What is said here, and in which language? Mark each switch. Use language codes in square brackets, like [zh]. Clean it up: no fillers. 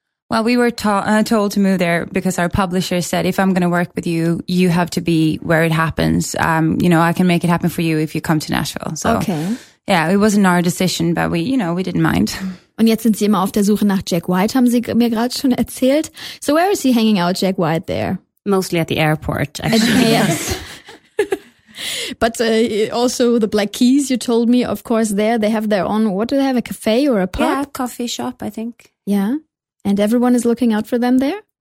[en] Well, we were told to move there because our publisher said, if I'm going to work with you, you have to be where it happens. You know, I can make it happen for you if you come to Nashville. So, okay. Yeah, it wasn't our decision, but we, you know, we didn't mind. [de] Und jetzt sind sie immer auf der Suche nach Jack White, haben sie mir gerade schon erzählt. [en] So where is he hanging out, Jack White, there? Mostly at the airport, actually. Yes. But also the Black Keys, you told me, of course, there they have their own, what do they have, a cafe or a pub? Yeah, coffee shop, I think. Yeah. And everyone is looking out for them there?